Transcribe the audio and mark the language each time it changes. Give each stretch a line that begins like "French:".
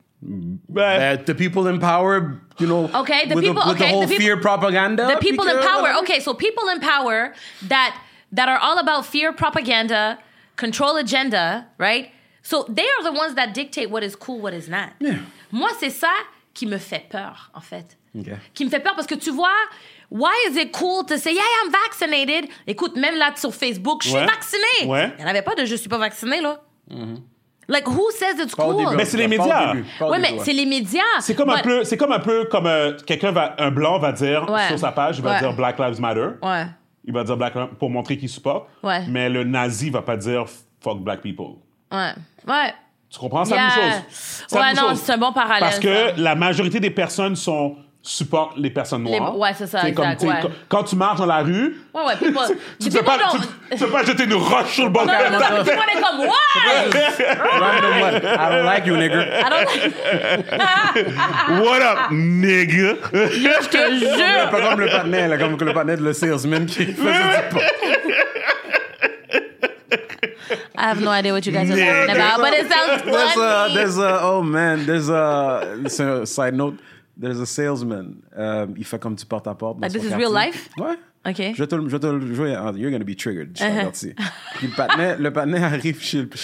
English: The people in power, you know, with the whole fear propaganda. The people in power. Okay, so people in power that are all about fear propaganda, control agenda, right? So they are the ones that dictate what is cool, what is not. Yeah.
French: Moi, c'est ça qui me fait peur, en fait.
English: Okay.
French: Qui me fait peur parce que tu vois...
English: Why is it cool to say, yeah, I'm vaccinated?
French: Écoute, même là sur Facebook, je suis vacciné. Ouais. Il n'y en avait pas de je suis pas vacciné, là.
English: Like, who says it's cool?
French: Mais c'est les médias. C'est les médias. C'est comme un peu comme quelqu'un, un blanc va dire sur sa page, il va dire Black Lives Matter. Ouais. Il va dire Black Lives Matter pour montrer qu'il supporte. Ouais. Mais le nazi va pas dire
English: fuck black people.
French: Ouais. Tu comprends? C'est la même chose. C'est un bon parallèle. Parce que la majorité des personnes sont supportent les personnes noires. Les... Ouais, c'est ça, exact, comme, ouais. Quand tu marches dans la rue... Ouais, ouais, people... tu peux pas jeter une roche sur le bord de la tête.
English: People are like, what? I don't like you, nigger. I don't like... What up, nigger?
French: Je te jure! Pas comme le partner, là, comme le partner de le salesman qui faisait du pot.
English: I have no idea what you guys are talking about, but it sounds funny. There's a salesman.
French: Il fait comme du porte-à-porte.
English: Like, this is real life?
French: Ouais.
English: Okay. You're going to be triggered. Uh-huh.
French: le patinet arrive chez...